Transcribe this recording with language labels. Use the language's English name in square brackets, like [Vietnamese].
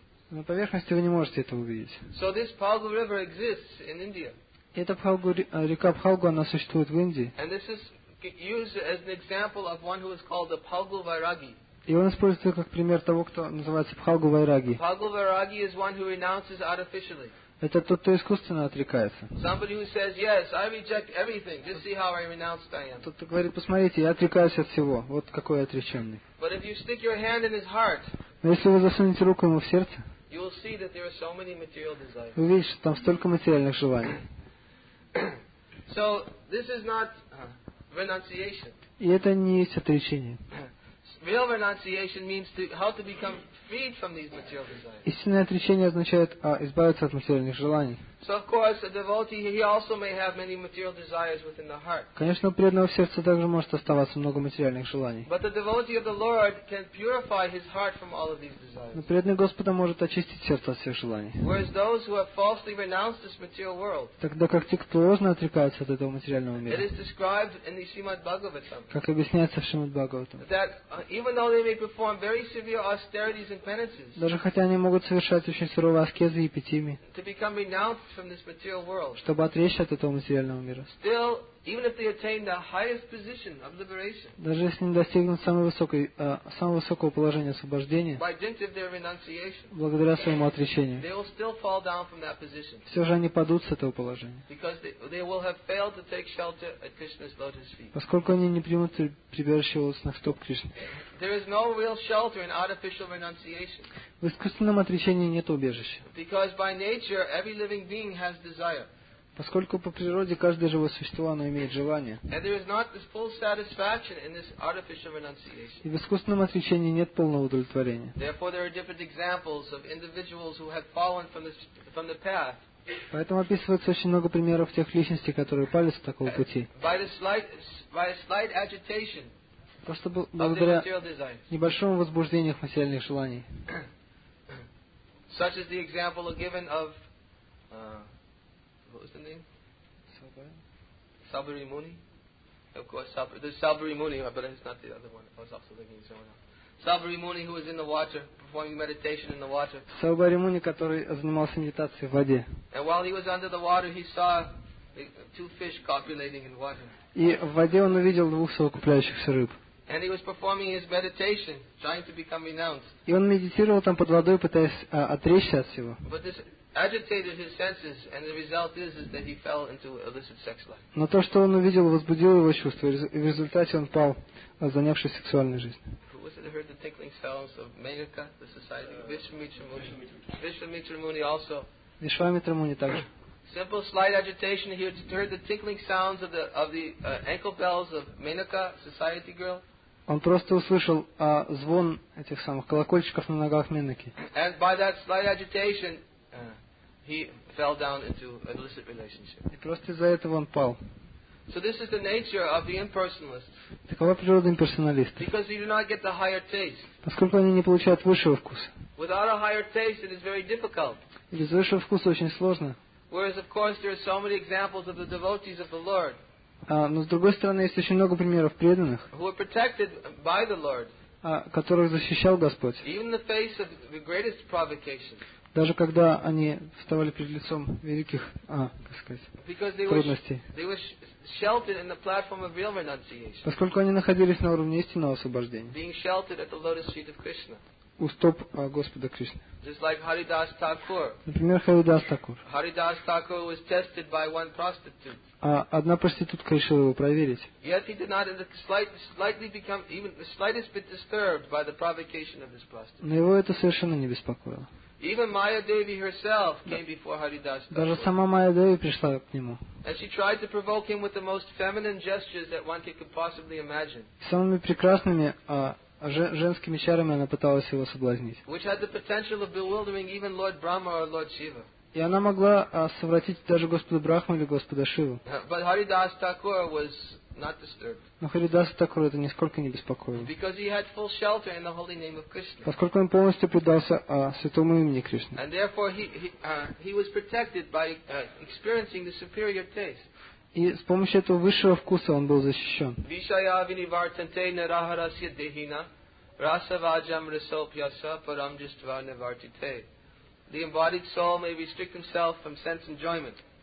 [Russian] На поверхности вы не можете это увидеть. И эта река Phalgu, она существует в Индии. [English] Used as an example of one who is called the Phalgu Vairagi. [Russian] И он используется как пример того, кто называется Phalgu Vairagi. [English] Phalgu Vairagi is one who renounces artificially. [Russian] Это тот, кто искусственно отрекается. [English] Somebody who says, "Yes, I reject everything. Just see how I renounced I am." [Russian] Тот, кто говорит, посмотрите, я отрекаюсь от всего. Вот какой я отреченный. [English] But if you stick your hand in his heart. [Russian] Но если вы засунете руку ему в сердце. [English] You will see that there are so many material desires. [Russian] Вы видите, там столько материальных желаний. [English] So this is not. Renunciation. [Russian] И это не есть отречение. [English] Real renunciation means how to become freed from these material desires. [Russian] Истинное отречение означает избавиться от материальных желаний. [English] So of course, a devotee, he also may have many material desires within the heart. [Russian] Конечно, у преданного сердца также может оставаться много материальных желаний. [English] But the devotee of the Lord can purify his heart from all of these desires. [Russian] Но преданный Господа может очистить сердце от всех желаний. [English] Whereas those who have falsely renounced this material world. [Russian] Тогда как те, кто ложно отрекаются от этого материального мира. [English] It is described in the Srimad Bhagavatam. [Russian] Как объясняется в Шримад Бхагаватам. [English] That even though they may perform very severe austerities and penances. [Russian] Даже хотя они могут совершать очень суровые аскезы и питими. [English] To become renounced from this material world. [Russian] Чтобы отречься от этого материального мира. [English] Still, even if they attain the highest position of liberation. [Russian] Даже если они достигнут самого высокого положения освобождения. [English] By dint of their renunciation. [Russian] Благодаря своему отречению. [English] They will still fall down from that position. [Russian] Все же они падут с этого положения. [English] Because they will have failed to take shelter at Krishna's lotus feet. [Russian] Поскольку они не примут прибежище у лотосных стоп Кришны. [English] There is no real shelter in artificial renunciation. [Russian] В искусственном отречении нет убежища. [English] Because by nature every living being has desire. [Russian] Поскольку по природе каждое живое существо оно имеет желание. [English] And there is not this full satisfaction in this artificial renunciation. [Russian] И в искусственном отречении нет полного удовлетворения. [English] Therefore there are different examples of individuals who have fallen from the path. [Russian] Поэтому описывается очень много примеров тех личностей, которые пали с такого пути. [English] By a slight agitation. [Russian] Просто благодаря небольшому возбуждению материальных желаний. [English] Such is the example given of what was the name? Sabari Muni. Of course, Sabari Muni, but it's not the other one. I was also thinking of someone else. Sabari Muni, who was in the water, performing meditation in the water. [Russian] Sabari Muni, который занимался медитацией в воде. [English] And while he was under the water, he saw two fish copulating in water. [Russian] И в воде он увидел двух совокупляющихся рыб. [English] And he was performing his meditation, trying to become renounced. [Russian] И он медитировал там под водой, пытаясь отречься от всего. [English] But this agitated his senses, and the result is that he fell into illicit sex life. [Russian] Но то, что он увидел, возбудило его чувства, и в результате он пал, занявшись сексуальной жизнью. [English] Who has heard the tickling sounds of Menaka, the society of Vishwamitra Muni also. [Russian] Vishwamitra Muni также. [English] Simple slight agitation, he heard the tickling sounds of the ankle bells of Menaka, society girl. [Russian] Он просто услышал звон этих самых колокольчиков на ногах Менаки. [English] And by that slight agitation, he fell down into an illicit relationship. [Russian] И просто из-за этого он пал. [English] So this is the nature of the impersonalist. [Russian] Такова природа имперсоналиста. [English] Because you do not get the higher taste. [Russian] Поскольку они не получают высшего вкуса. [English] Without a higher taste, it is very difficult. [Russian] И без высшего вкуса очень сложно. [English] Whereas, of course, there are so many examples of the devotees of the Lord. [Russian] Но с другой стороны есть очень много примеров преданных, [English] who are protected by the Lord, [Russian] которых защищал Господь. [English] Even in the face of the greatest provocation. [Russian] Даже когда они вставали перед лицом великих, как сказать, [English] because they [Russian] трудностей. [English] They were sheltered in the platform of real renunciation. [Russian] Поскольку они находились на уровне истинного освобождения. [English] Being sheltered at the lotus feet of Krishna. [Russian] У стоп Господа Кришны. [English] Just like Haridas Thakur. [Russian] Например, Haridas Thakur. [English] Haridas Thakur was tested by one prostitute. [Russian] Одна проститутка решила его проверить. [English] Yet he did not in the slightly become even the slightest bit disturbed by the provocation of this prostitute. [Russian] Но его это совершенно не беспокоило. [English] Even Maya Devi herself came before Haridas Thakur. [Russian] Даже сама Майя Деви пришла к нему. [English] And she tried to provoke him with the most feminine gestures that one could possibly imagine. [Russian] Самыми прекрасными женскими чарами она пыталась его соблазнить. [English] Which had the potential of bewildering even Lord Brahma or Lord Shiva. [Russian] И она могла совратить даже Господа Брахму или Господа Шиву. [English] But Haridas Thakur was not disturbed. [Russian] Но Харидас Такур это нисколько не беспокоило. [English] Because he had full shelter in the holy name of Krishna. [Russian] Поскольку он полностью предался святому имени Кришны. [English] And therefore he was protected by experiencing the superior taste. [Russian] И с помощью этого высшего вкуса он был защищен. [Sanskrit] Вишая винивартанте нарахарасья дехина, расаваджам рисопьяса парамджиства невартите. [English] The embodied soul may restrict himself from sense enjoyment.